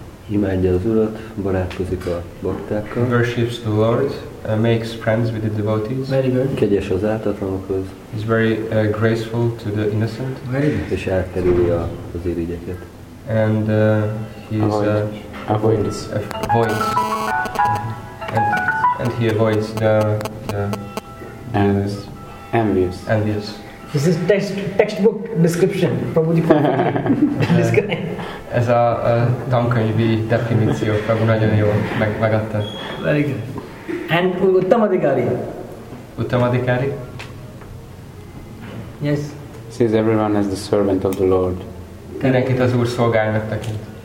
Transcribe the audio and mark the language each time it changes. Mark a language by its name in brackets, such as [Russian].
[Hungarian] Imádja az Urat, barátkozik a baktákkal. [English] Worships the Lord, makes friends with the devotees. Very good. [Hungarian] Kegyes az áltatlanokhoz. [English] He's very graceful to the innocent. Very good. [Hungarian] És elkerüli az irigyeket. [English] And he avoids. And he avoids the and is envious. Envious. This is textbook description. Prabhuji Prabhuji. [Hungarian] Ez a tankönyvi definíció, Prabhu nagyon jó, megadta. [English] Very good. And Uttam Adhikari. Uttam Adhikari? Yes. Sees everyone as the servant of the Lord. [Hungarian] Mindenkit az Úr szolgálnak tekint.